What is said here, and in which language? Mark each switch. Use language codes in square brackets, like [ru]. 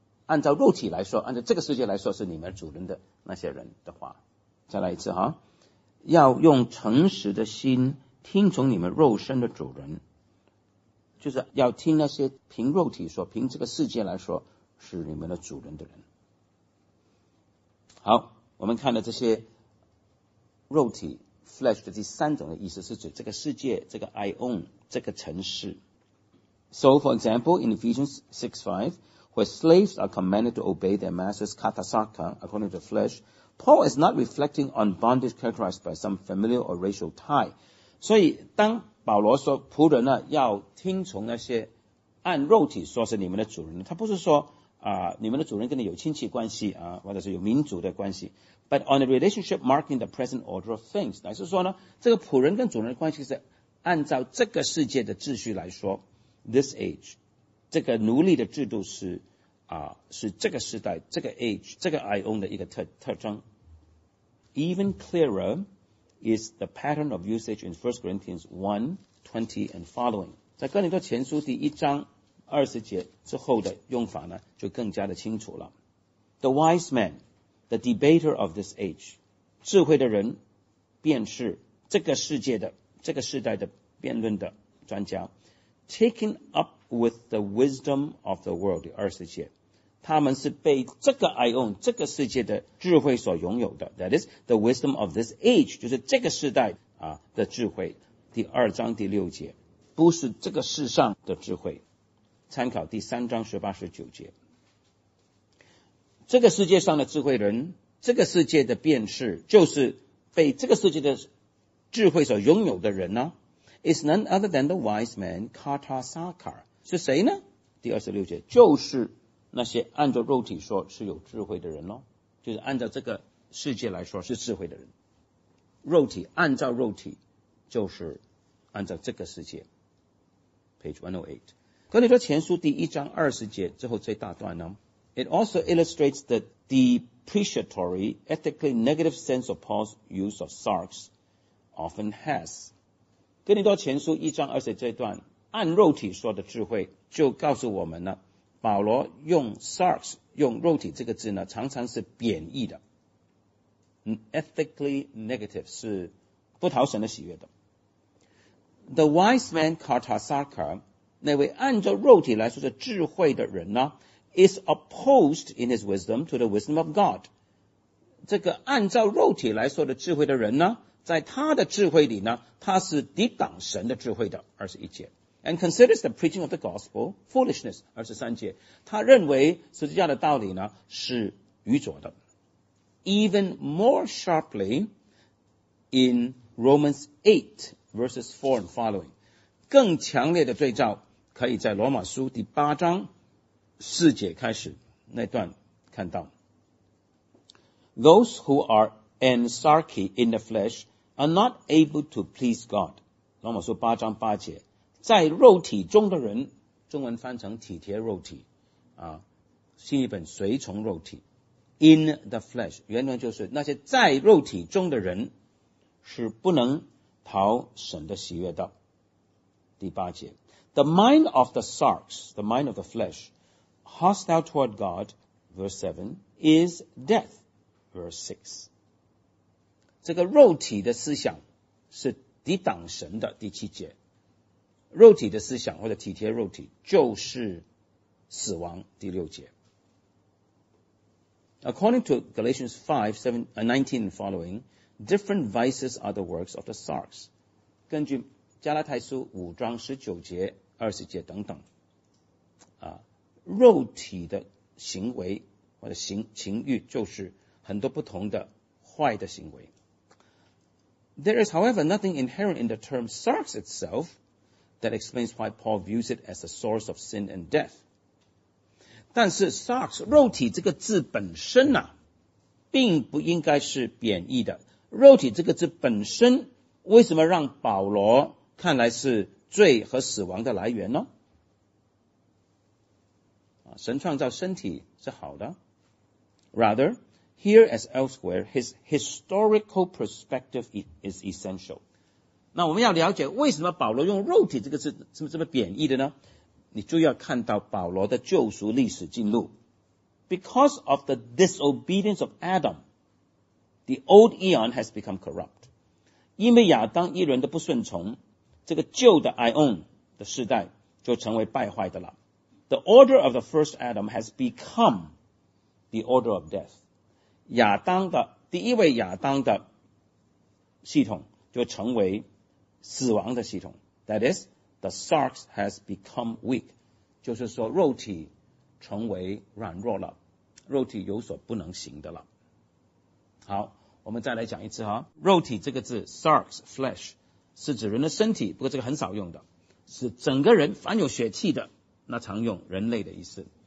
[zh] 按照肉体来说，按照这个世界来说是你们主人的那些人的话，再来一次哈，要用诚实的心听从你们肉身的主人，就是要听那些凭肉体说，凭这个世界来说是你们的主人的人。好，我们看了这些肉体 flesh 的第三种的意思，是指这个世界，这个 I own 这个城市。 [en] So for example in Ephesians 6:5 where slaves are commanded to obey their masters katasaka according to flesh, Paul is not reflecting on bondage characterized by some familial or racial tie. [zh] 所以当保罗说仆人呢要听从那些按肉体说是你们的主人，他不是说你们的主人跟你有亲戚关系啊，或者是有民族的关系。 [en] But on a relationship marking the present order of things, [zh] 乃是说呢，这个仆人跟主人的关系是按照这个世界的秩序来说 ， [en] this age， [zh] 这个奴隶的制度是是这个时代这个 age 这个 I own 的一个特征。 [en] Even clearer is the pattern of usage in 1 Corinthians 1:20 and following. [zh] 在哥林多前书第一章二十节之后的用法呢，就更加的清楚了。 [en] The wise man, the debater of this age, [zh] 智慧的人便是这个世界的这个时代的辩论的专家。 [en] Taken up with the wisdom of the world, [zh] 第二十节，他们是被这个 ion 这个世界的智慧所拥有的。 [en] That is the wisdom of this age, [zh] 就是这个时代啊的智慧。第二章第六节，不是这个世上的智慧。参考第三章十八十九节，这个世界上的智慧人，这个世界的辨识，就是被这个世界的智慧所拥有的人呢、啊、， [en] is none other than the wise man [zh] Kartasakar 是谁呢？第二十六节，就是那些按照肉体说是有智慧的人喽，就是按照这个世界来说是智慧的人，肉体按照肉体就是按照这个世界 ， [en] page 108。 [zh] 格林多前书第一章二十节之后这大段呢 [en] ，It also illustrates the depreciatory, ethically negative sense of Paul's use of sarks often has. [zh] 格林多前书一章二十节这段，按肉体说的智慧，就告诉我们呢，保罗用 sarks 用肉体这个字呢，常常是贬义的。 [en] Ethically negative [zh] 是不讨神的喜悦的。 [en] The wise man Kartasaka. [zh] 那位按照肉体来说是智慧的人呢 [en] is opposed in his wisdom to the wisdom of God. [zh] 这个按照肉体来说的智慧的人呢，在他的智慧里呢，他是抵挡神的智慧的，二十一节。 [en] And considers the preaching of the gospel foolishness, [zh] 二十三节。他认为十字架的道理呢是愚拙的。 [en] Even more sharply in Romans 8 verses 4 and following. [zh] 更强烈的对照可以在罗马书第八章四节开始那段看到。 [en] Those who are ensarchy in the flesh are not able to please God. [zh] 罗马书八章八节，在肉体中的人，中文翻成体贴肉体啊，新译本随从肉体。 [en] In the flesh, [zh] 原文就是那些在肉体中的人是不能讨神的喜悦的。第八节 [en] The mind of the sarks, the mind of the flesh, hostile toward God, verse 7, is death, verse 6. [zh] 这个肉体的思想是抵挡神的第七节。肉体的思想或者体贴肉体就是死亡第六节。 [en] According to Galatians 5, 7, 19 and following, different vices are the works of the sarks. [zh] 根据加拉太书五章十九节二十节等等啊，肉体的行为或者情欲就是很多不同的坏的行为。 [en] There is however nothing inherent in the term sarks itself that explains why Paul views it as a source of sin and death. [zh] 但是 sarks 肉体这个字本身啊，并不应该是贬义的。肉体这个字本身为什么让保罗看来是罪和死亡的来源呢？神创造身体是好的。 [en] Rather, here as elsewhere, his historical perspective is essential. [zh] 那我们要了解为什么保罗用肉体这个字是这么贬义的呢？你就要看到保罗的救赎历史进入。 [en] because of the disobedience of Adam, the old eon has become corrupt. [zh] 因为亚当一人的不顺从，这个旧的 ion 的世代就成为败坏的了。 [en] The order of the first Adam has become the order of death. [zh] 亚当的第一位亚当的系统就成为死亡的系统。 [en] That is, the sarx has become weak. [zh] 就是说肉体成为软弱了，肉体有所不能行的了。好，我们再来讲一次哈，肉体这个字 sarx, flesh, 是指人的身体，不过这个很少用的，是整个人凡有血气的，那常用人类的意思。